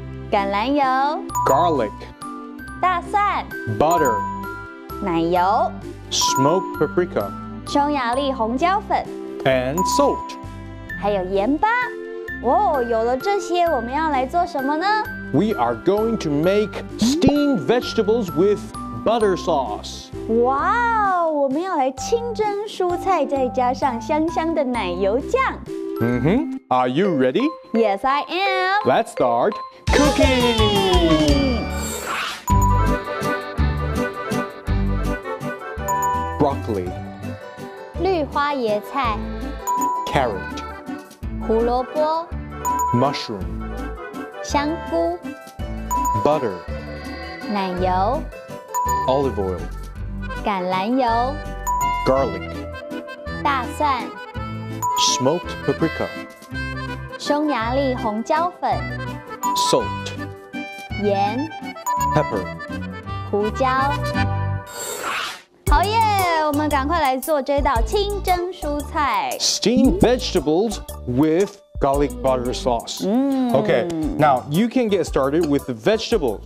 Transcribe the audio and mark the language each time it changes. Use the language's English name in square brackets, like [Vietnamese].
[Chinese] 橄榄油 [English] garlic [Chinese] 大蒜 [English] butter [Chinese] 奶油 [English] smoked paprika [Chinese] 匈牙利红椒粉 [English] and salt [Chinese] 还有盐巴哦，有了这些我们要来做什么呢 [English] we are going to make steamed vegetables with butter sauce [Chinese] 哇我们要来清蒸蔬菜再加上香香的奶油酱 [English] Are you ready? Yes, I am. Let's start cooking. Broccoli. [Chinese] 绿花椰菜 [English] Carrot. [Chinese] 胡萝卜 [English] Mushroom. [Chinese] 香菇 [English] Butter. [Chinese] 奶油 [English] Olive oil. [Chinese] 橄榄油 [English] Garlic. [Chinese] 大蒜 [English] Smoked paprika [Chinese] 匈牙利红椒粉 [English] Salt [Chinese] 盐 Pepper 胡椒好耶我们赶快来做这道清蒸蔬菜 [English] Steamed vegetables with garlic butter sauce Okay, now you can get started with the vegetables